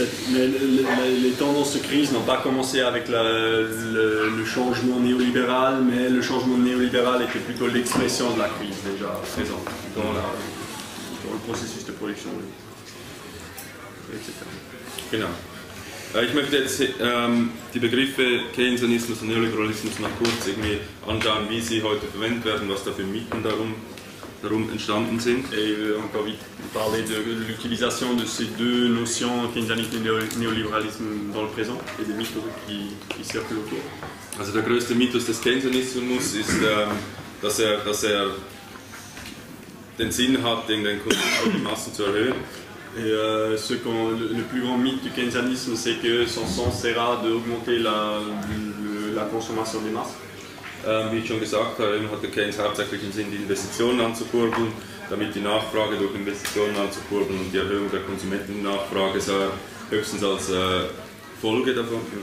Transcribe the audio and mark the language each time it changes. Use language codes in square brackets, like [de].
[fr] Les tendances de crise n'ont pas commencé avec le changement néolibéral, mais le changement néolibéral était plutôt l'expression de la crise déjà présente dans le processus de production, oui. Etc. [de] Genau. Ich möchte jetzt die Begriffe Keynesianismus und Neoliberalismus mal kurz irgendwie anschauen, wie sie heute verwendet werden, was da für Mythen darum entstanden sind. [fr] Et encore vite parler de l'utilisation de ces deux notions, Keynesianisme et Neoliberalisme, dans le présent, et des Mythen, qui circulent autour. [de] Also der größte Mythos des Keynesianismus ist, dass er den Sinn hat, den Konsum auf die Massen zu erhöhen. [fr] Et le plus grand mythe du keynesianisme, c'est que son sens sera d'augmenter la consommation des masses. [de] Wie ich schon gesagt habe, hat der Keynes hauptsächlich den Sinn, die Investitionen anzukurbeln, damit die Nachfrage durch Investitionen anzukurbeln und die Erhöhung der Konsumentennachfrage sei höchstens als Folge davon.